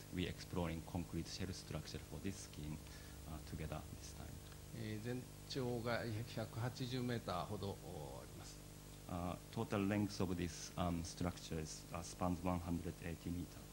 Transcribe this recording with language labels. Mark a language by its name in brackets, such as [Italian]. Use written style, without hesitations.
[English] We exploring concrete shell structure for this scheme together this time. [Japanese] 全長が180メーターほどあります。 [English] Total length of this structure is spans 180 meter.